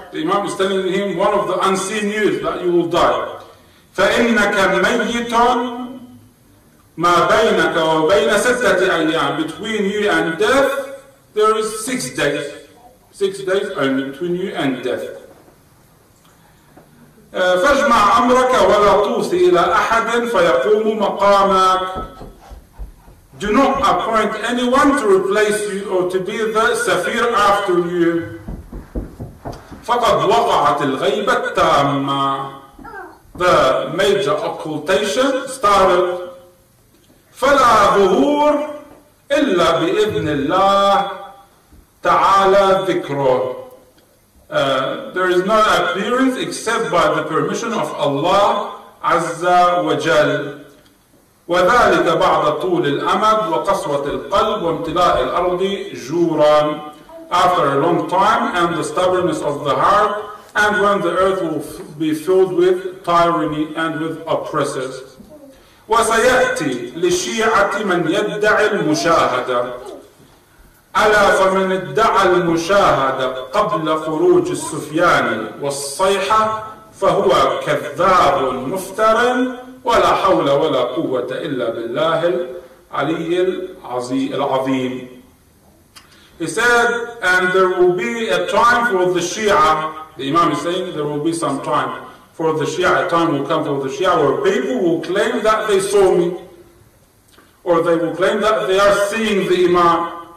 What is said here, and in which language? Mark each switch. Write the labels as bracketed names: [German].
[English] The Imam is telling him one of the unseen news that you will die. [Arabic] فَإِنَّكَ مَيِّتٌ مَا بَيْنَكَ وَبَيْنَ سَتَّةِ أَيَّامٍ. [English] Between you and death, there is 6 days. 6 days only between you and death. [Arabic] فاجمع أمرك ولا توصي إلى أحد فيقوم مقامك. [English] Do not appoint anyone to replace you or to be the Safir after you. [Arabic] فقد وقعت الغيبة التامة. [English] The major occultation started. [Arabic] فلا ظهور إلا بإذن الله Ta'ala dhikrah. [English] There is no appearance except by the permission of Allah Azza wa Jal. [Arabic] وَذَلِكَ بَعْضَ طُولِ الْأَمَدِ وَقَصْوَةِ الْقَلْبِ وَامْتِلَاءِ الْأَرْضِ جُورًا. [English] After a long time and the stubbornness of the heart, and when the earth will be filled with tyranny and with oppressors. [Arabic] وَسَيَأْتِي لِشِيعَةِ مَنْ يَدَّعِ الْمُشَاهَدَةِ. ألا فمن ادعى المشاهدة قبل خروج السفيان والصيحة فهو كذاب مفتر ولا حول ولا قوة إلا بالله العلي العظيم. [English] He said, and there will be a time for the Shia. The Imam is saying there will be some time for the Shia. A time will come for the Shia where people will claim that they saw me, or they will claim that they are seeing the Imam.